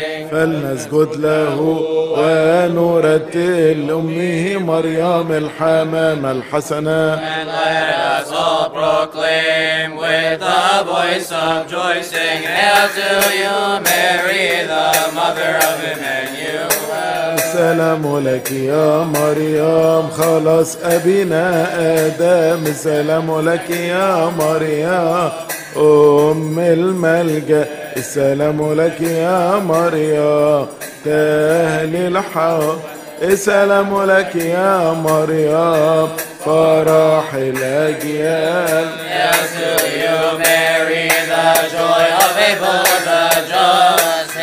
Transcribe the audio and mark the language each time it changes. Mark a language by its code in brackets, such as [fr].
[ar] فلنسجد له ونرتل لأمه مريم الحمامة الحسنة. [en] And let us all proclaim with a voice of joy, sing hail to you, Mary, the mother of Emmanuel. [ar] السلام لك يا مريم خلاص أبينا آدم. السلام لك يا مريم أم الملجأ. السلام لك يا مريم تاهل الحق. السلام لك يا مريم فرح الأجيال. [en] Yes, to you, Mary, the joy of Abel, the just.